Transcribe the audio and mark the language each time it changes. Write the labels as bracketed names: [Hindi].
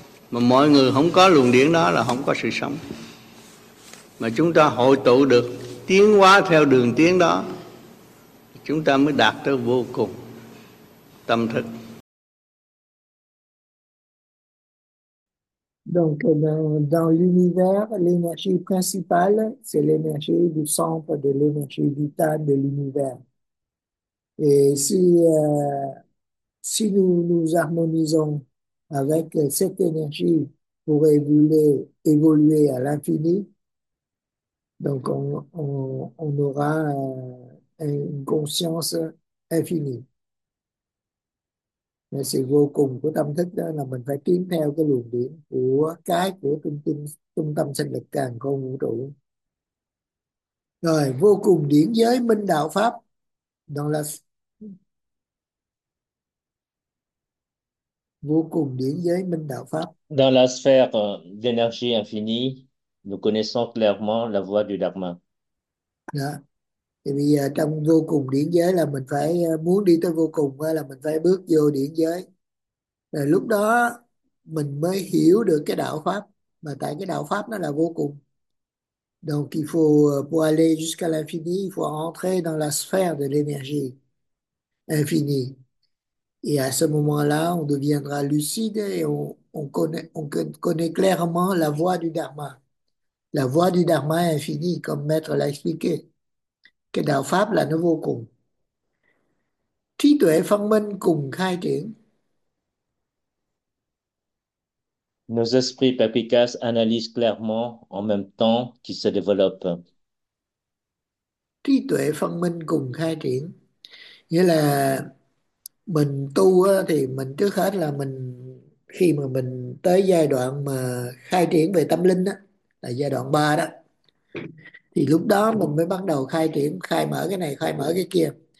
[Vietnamese] Mà mọi người không có luồng điển đó là không có sự sống. Mà chúng ta hội tụ được, tiến hóa theo đường tiến đó, chúng ta mới đạt tới vô cùng tâm thức. [French] Donc, dans l'univers, l'énergie principale, c'est l'énergie du centre de l'énergie vitale de l'univers. Et si nous nous harmonisons avec cette énergie pour évoluer à l'infini, donc on aura une conscience [English] Infinite. [Vietnamese] Là sự vô cùng của tâm thức đó, là mình phải tiến theo cái luồng điển của cái của trung tâm trung tâm sinh lực càn khôn vũ trụ. Rồi vô cùng điển giới minh đạo pháp, đó là vô cùng điển giới minh đạo pháp. [French] Dans la sphère d'énergie infinie, nous connaissons clairement la voie du Dharma. [Vietnamese] Đó. Thì bây giờ trong vô cùng điển giới là mình phải muốn đi tới vô cùng là mình phải bước vô điển giới, rồi lúc đó mình mới hiểu được cái đạo pháp, mà tại cái đạo pháp nó là vô cùng. [French] Donc il faut pour aller jusqu'à l'infini, il faut entrer dans la sphère de l'énergie infinie. Et à ce moment-là, on deviendra lucide et on connaît clairement la voie du dharma. La voie du dharma est infinie, comme Maître l'a expliqué. [Vietnamese] Cái đạo pháp là nó vô cùng. Trí tuệ phân minh cùng khai triển. [French] Nos esprits perspicaces analysent clairement en même temps qu'ils se développent. [Vietnamese] Trí tuệ phân minh cùng khai triển. Nghĩa là mình tu á, thì mình trước hết là mình khi mà mình tới giai đoạn mà khai triển về tâm linh á, là giai đoạn 3 đó, thì lúc đó mình mới bắt đầu khai triển, khai mở cái này, khai mở cái kia.